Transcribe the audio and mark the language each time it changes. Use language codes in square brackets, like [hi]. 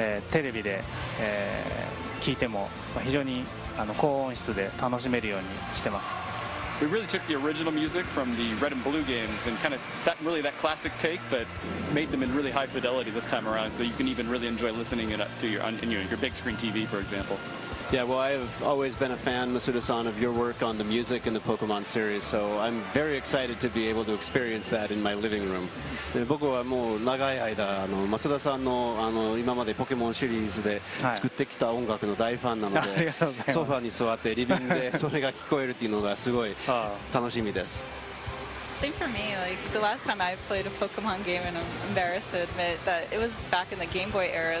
[ja] テレビで、聞いても非常に高音質で楽しめるようにしてます。 [en] We really took the original music from the Red and Blue games and kind of that really that classic take, but made them in really high fidelity this time around, so you can even really enjoy listening it up to your big screen TV, for example. Yeah, well, I've always been a fan, Masuda-san, of your work on the music in the Pokemon series, so I'm very excited to be able to experience that in my living room. [ja] 僕はもう長い間、Masuda さんの、今までポケモンシリーズで作ってきた音楽の大ファンなので、はい、ソファに座ってリビングでそれが聞こえるっていうのがすごい楽しみです。 [en] Same for me. Like the last time I played a Pokemon game, and I'm embarrassed to admit that it was back in the Game Boy era.